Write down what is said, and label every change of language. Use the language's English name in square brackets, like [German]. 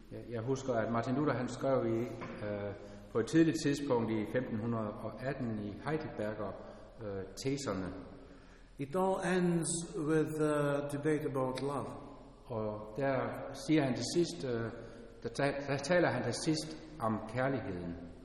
[Danish] Jeg husker, at Martin Luther han skrev i på et tidligt tidspunkt i 1518 i Heidelberger teserne. [English] It all ends with a debate about love. [Danish] Og der siger han til sidst, der taler han til sidst om kærligheden.